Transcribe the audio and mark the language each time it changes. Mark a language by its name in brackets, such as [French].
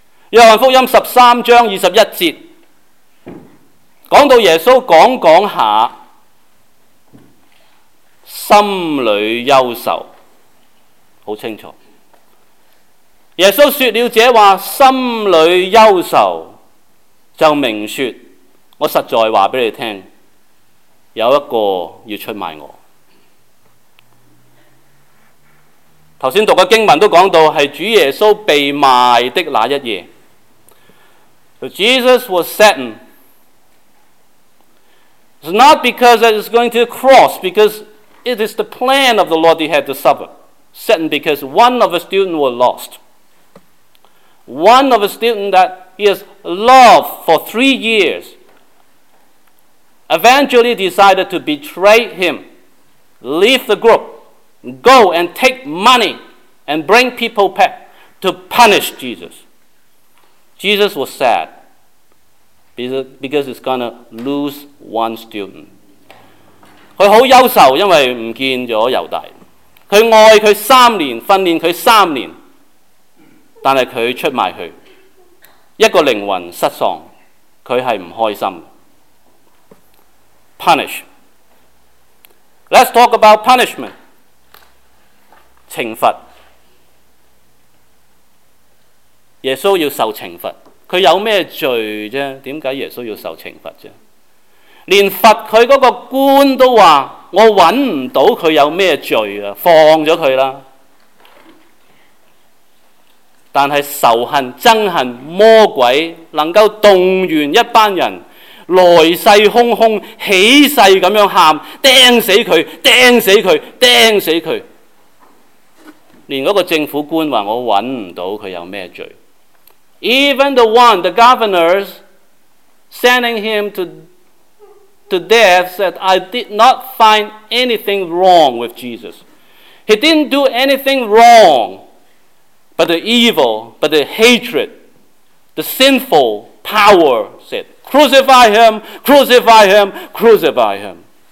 [Chinese] 约翰福音13章21节，讲到耶稣讲讲下心里忧愁，好清楚，耶稣说了这话，心里忧愁，就明说，我实在话给你听，有一个要出卖我。刚才读的经文都讲到是主耶稣被卖的那一夜。 [English] Jesus was sentenced. It's not because it is going to the cross, because it is the plan of the Lord he had to suffer. Sentenced because one of his students were lost. One of his students that he has loved for 3 years eventually decided to betray him, leave the group, go and take money and bring people back to punish Jesus. Jesus was sad because he's going to lose one student. [Chinese] 他很忧愁，因为不见了犹大。他爱他三年，训练他三年，但是他出卖他，一个灵魂失丧，他是不开心。 [English] Punish. Let's talk about punishment. [Chinese] 惩罚，耶稣要受惩罚，他有什么罪啫？为什么耶稣要受惩罚啫？连罚他那个官都说，我找不到他有什么罪，放了他了。但是仇恨、憎恨、魔鬼能够动员一班人来势汹汹，起势这样喊，钉死他，钉死他，钉死他。连那个政府官说，我找不到他有什么罪。 [English] Even the one, the governors, sending him to death said, I did not find anything wrong with Jesus. He didn't do anything wrong, but the evil, but the hatred, the sinful power said, crucify him, crucify him, crucify him.